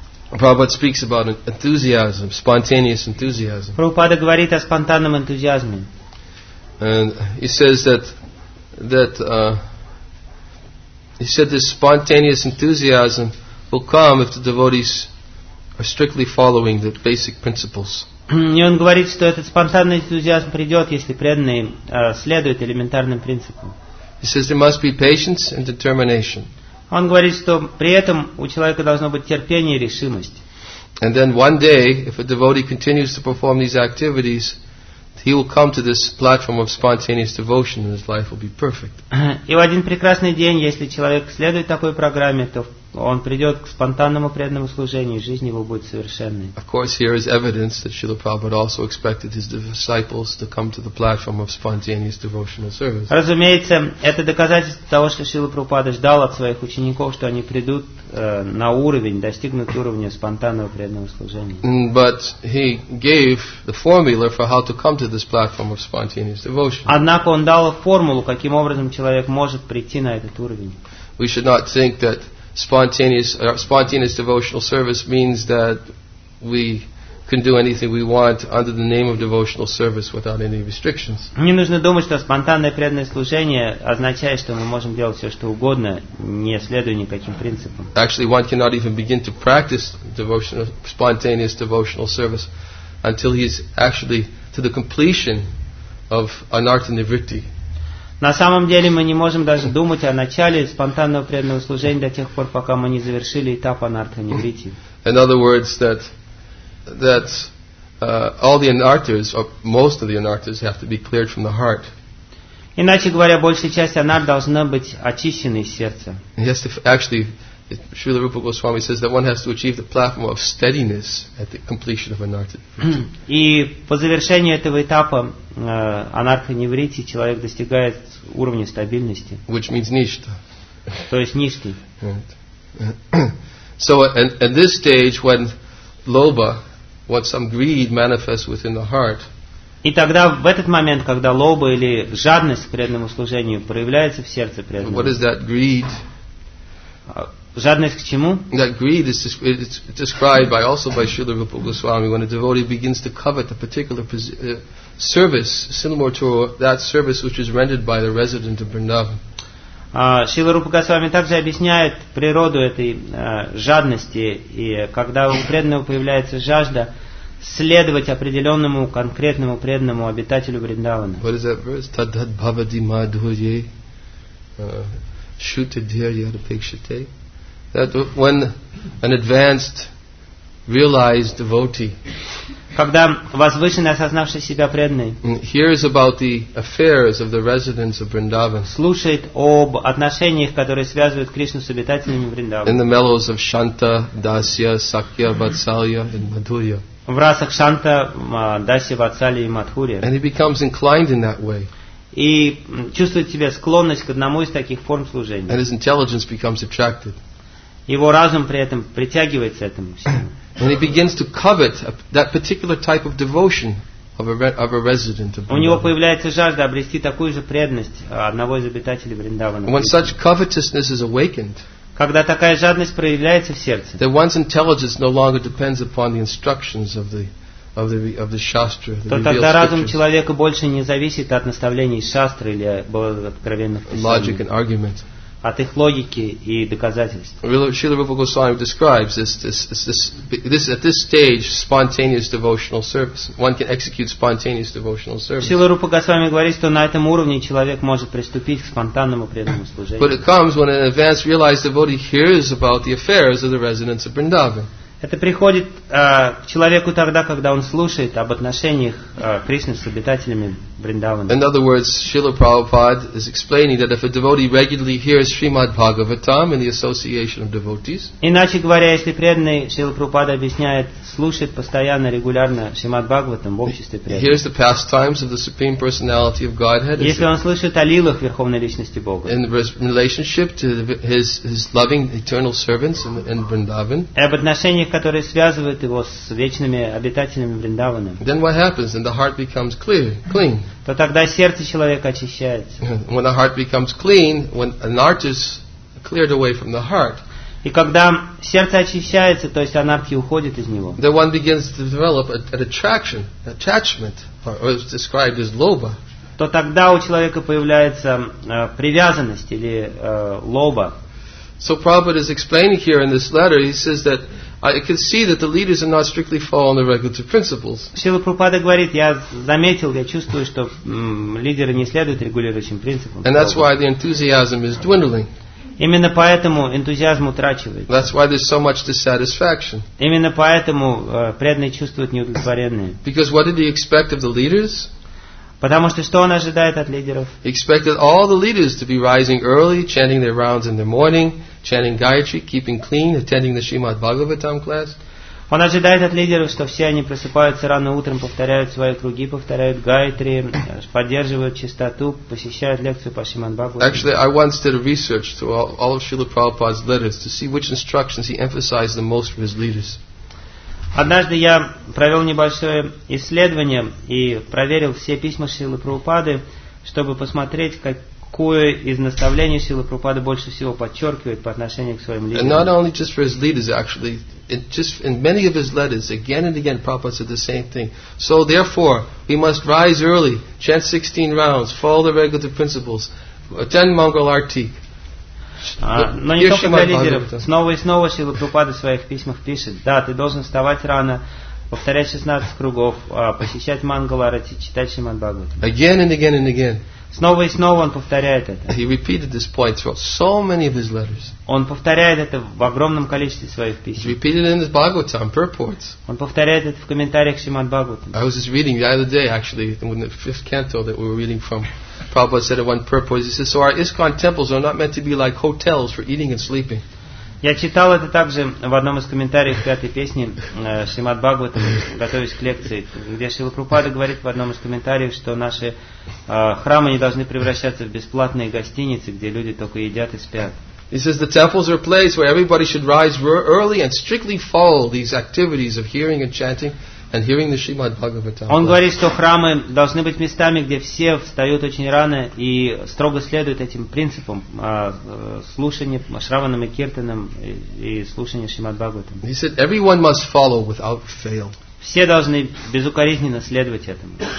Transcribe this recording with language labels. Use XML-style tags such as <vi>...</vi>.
<en>Prabhupada speaks about enthusiasm, spontaneous enthusiasm.</en> <ru>Prabhupada говорит о спонтанном энтузиазме.</ru> <en>And he says that this spontaneous enthusiasm will come if the devotees are strictly following the basic principles.</en> <ru>И он говорит, что этот спонтанный энтузиазм придет, если преданные следуют элементарным принципам.</ru> <en>He says there must be patience and determination.</en> <ru>Он говорит, что при этом у человека должно быть терпение и решимость.</ru> <en>And then one day, if a devotee continues to perform these activities, he will come to this platform of spontaneous devotion and his life will be perfect.</en> <ru>И в один прекрасный день, если человек следует такой программе, то он придет к спонтанному преданному служению, и жизнь его будет совершенной.</ru> <en>Of course, here is evidence that Srila Prabhupada also expected his disciples to come to the platform of spontaneous devotional service.</en> <ru>Разумеется, это доказательство того, что Шрила Прабхупада ждал от своих учеников, что они придут на уровень, достигнут уровня спонтанного преданного служения.</ru> <en>But he gave the formula for how to come to this platform of spontaneous devotion.</en> <ru>Однако он дал формулу, каким образом человек может прийти на этот уровень.</ru> <en>We should not think that spontaneous devotional service means that we can do anything we want under the name of devotional service without any restrictions.</en> <ru>Не нужно думать, что спонтанное преданное служение означает, что мы можем делать все, что угодно, не следуя никаким принципам.</ru> <en>Actually, one cannot even begin to practice spontaneous devotional service until he is actually to the completion of anarthanivritti.</en> <ru>На самом деле мы не можем даже думать о начале спонтанного преданного служения до тех пор, пока мы не завершили этап анартха-нивритти.</ru> <en>In other words, that all the anarthas, or most of the anarthas, have to be cleared from the heart.</en> <ru>Иначе говоря, большая часть анарт должна быть очищена из сердца.</ru> <en>Yes, actually, Srila Rupa Goswami says that one has to achieve the platform of steadiness at the completion of anartha-nivritti.</en> <ru>И по завершению этого этапа анартха-нивритти человек достигает уровня стабильности.</ru> <en>Which means ништа.</en> <ru>То есть ништи.</ru> <en>So at this stage, when lobha, when some greed manifests within the heart.</en> <ru>И тогда в этот момент, когда лобха или жадность к преданному служению проявляется в сердце преданного.</ru> <en>What is that greed?</en> <ru>Жадность к чему?</ru> <en>That greed is described by also by Srila Rupa Goswami when a devotee begins to covet a particular service similar to that service which is rendered by the resident of Vrindavan.</en> <ru>Шрила Рупа Госвами также объясняет природу этой жадности, и когда у преданного появляется жажда следовать определенному конкретному преданному обитателю Вриндавана.</ru> <en>What is that verse?</en> <sa>Tadhat bhavadi madhurye shutadhirya rupekshate.</sa> <en>That when an advanced realized devotee,</en> <ru>когда возвышенный осознавший себя преданный,</ru> <en>hears about the affairs of the residents of Vrindavan,</en> <ru>слушает об отношениях, которые связывают Кришну с обитателями Вриндавана,</ru> <en>in the mellows of Shanta, Dasya, Sakya, Vatsalya, and Madhurya,</en> <ru>в расах Шанта, Дасья, Ватсалья и Мадхурья,</ru> <en>and he becomes inclined in that way.</en> <ru>И чувствует себя склонность к одному из таких форм служения.</ru> <en>And his intelligence becomes attracted.</en> <ru>Его разум при этом притягивается этому.</ru> <en>And he begins to covet that particular type of devotion of a resident of Vrindavan.</en> <ru>У него появляется жажда обрести такую же преданность одного из обитателей Вриндавана.</ru> <en>When such covetousness is awakened,</en> <ru>когда такая жадность проявляется в сердце,</ru> <en>that one's intelligence no longer depends upon the instructions of the shastra,</en> <ru>то тогда разум человека больше не зависит от наставлений шастры или от откровенных</ru> <en>logic and argument.</en> <ru>от их логики и доказательств.</ru> <en>Шрила Рупа Госвами describes this at this stage spontaneous devotional service. One can execute spontaneous devotional service.</en> <ru>Шрила Рупа Госвами говорит, что на этом уровне человек может приступить к спонтанному преданному служению.</ru> <en>But it comes when an advanced realized devotee hears about the affairs of the residents of Vrindavan.</en> <ru>Это приходит к человеку тогда, когда он слушает об отношениях Кришны с обитателями Вриндавана.</ru> <en>In other words, Srila Prabhupada is explaining that if a devotee regularly hears Srimad Bhagavatam in the association of devotees,</en> <ru>иначе говоря, если преданный, Шрила Прабхупада объясняет, слушает постоянно, регулярно Шримад Бхагаватам в обществе преданных.</ru> <en>Hears the pastimes of the Supreme Personality of Godhead.</en> <ru>Если он слышит о лилах Верховной Личности Бога.</ru> <en>In relationship to his loving eternal servants in Vrindavan.</en> <ru>Об отношениях, которые связывают его с вечными обитателями Вриндавана.</ru> <en>Then what happens? Then the heart becomes clear, clean.</en> <ru>То тогда сердце человека очищается.</ru> <en>When the heart becomes clean, when anarthi is cleared away from the heart,</en> <ru>и когда сердце очищается, то есть анартхи уходит из него,</ru> <en>then one begins to develop an attraction, attachment, or it's described as lobha.</en> <ru>То тогда у человека появляется привязанность или лоба.</ru> <en>So Prabhupada is explaining here in this letter, he says that I can see that the leaders are not strictly following the regulative principles.</en> <ru>Шрила Прабхупада говорит, я заметил, я чувствую, что лидеры не следуют регулирующим принципам.</ru> <en>And that's why the enthusiasm is dwindling.</en> <ru>Именно поэтому энтузиазм утрачивается.</ru> <en>That's why there's so much dissatisfaction.</en> <ru>Именно поэтому преданные чувствуют неудовлетворенные.</ru> <en>Because what did he expect of the leaders?</en> <ru>Потому что что он ожидает от лидеров?</ru> <en>He expected all the leaders to be rising early, chanting their rounds in the morning, chanting Gayatri, keeping clean, attending the Srimad Bhagavatam class.</en> <ru>Он ожидает от лидеров, что все они просыпаются рано утром, повторяют свои круги, повторяют Гайатри, поддерживают чистоту, посещают лекцию по Шримад Бхагаватам.</ru> <en>Actually, I once did a research through all of Srila Prabhupada's letters to see which instructions he emphasized the most for his leaders.</en> <ru>Однажды я провел небольшое исследование и проверил все письма Шрилы Прабхупады, чтобы посмотреть, как кое из наставлений Шрилы Прабхупады больше всего подчеркивает по отношению к своим лидерам.</ru> <en>And not only just for his leaders, actually, just in many of his letters, again and again, Prabhupada said the same thing. So therefore, we must rise early, chant 16 rounds, follow the regulative principles, attend Mangal Arti.</en> <ru>Но не только для лидеров. Снова и снова Шрила Прабхупада в своих письмах пишет: да, ты должен вставать рано, повторять 16 кругов, посещать Мангал Арти, читать Шримад Бхагаватам.</ru> <en>Again and again and again.</en> <ru>Снова и снова он повторяет это.</ru> <en>He repeated this point throughout so many of his letters.</en> <ru>Он повторяет это в огромном количестве своих писем.</ru> <en>He repeated it in his Bhagavatam purports.</en> <ru>Он повторяет это в комментариях к Шримад Бхагаватам.</ru> <en>I was just reading the other day, actually, in the fifth canto that we were reading from. Prabhupada said in one purport, he says, so our ISKCON temples are not meant to be like hotels for eating and sleeping.</en> <ru>Я читал это также в одном из комментариев пятой песни Шримад Бхагаватам, готовясь к лекции, где Шрила Прабхупада говорит в одном из комментариев, что наши храмы не должны превращаться в бесплатные гостиницы, где люди только едят и спят.</ru> <en>He says the temples are a place where everybody should rise early and strictly follow these activities of hearing and chanting and hearing the Srimad Bhagavatam.</en> <ru>Он говорит, что храмы должны быть местами, где все встают очень рано и строго следуют этим принципам слушания Шраванам и Киртанам и слушания Шримад Бхагаватам.</ru> <en>He said everyone must follow without fail.</en> <ru>Все должны безукоризненно следовать этому.</ru>